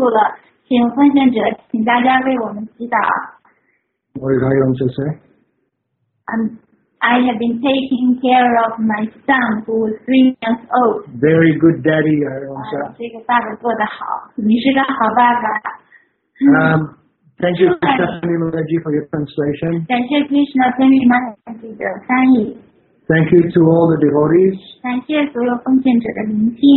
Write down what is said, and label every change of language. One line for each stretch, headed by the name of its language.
Chinese: 这个我们这个飓风马上要登陆了，请奉献者，请大家为我们祈祷。
English: What did Hari Vamsa say? I have been taking care of my son who was 3 years old. Very good daddy, Hari Vamsa.
Chinese: 这个爸爸做得好，你是个好爸爸。
English: Thank you, Krishna Maharaji, for your translation.
Chinese: 感谢 Krishna Maharaji 的翻译。
English: Thank you to all the devotees.
Chinese: 感谢所有奉献者的聆听。